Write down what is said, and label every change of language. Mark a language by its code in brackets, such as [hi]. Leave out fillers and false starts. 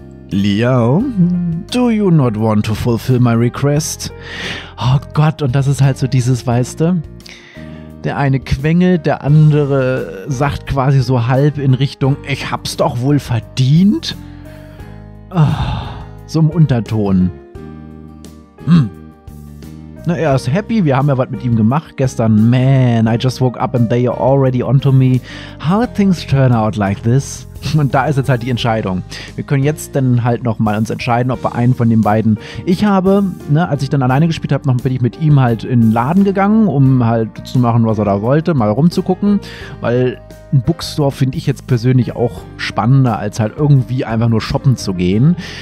[en] Liao, do you not want to fulfill my request? [de] Oh Gott, und das ist halt so dieses, weißt du? Der eine quengelt, der andere sagt quasi so halb in Richtung, ich hab's doch wohl verdient? Oh, so im Unterton. Na, er ist happy, wir haben ja was mit ihm gemacht gestern. [en] Man, I just woke up and they are already onto me. How things turn out like this? [de] Und da ist jetzt halt die Entscheidung. Wir können jetzt dann halt nochmal uns entscheiden, ob wir einen von den beiden... Ich habe, ne, als ich dann alleine gespielt habe, bin ich mit ihm halt in den Laden gegangen, um halt zu machen, was er da wollte, mal rumzugucken. Weil ein Bookstore finde ich jetzt persönlich auch spannender, als halt irgendwie einfach nur shoppen zu gehen.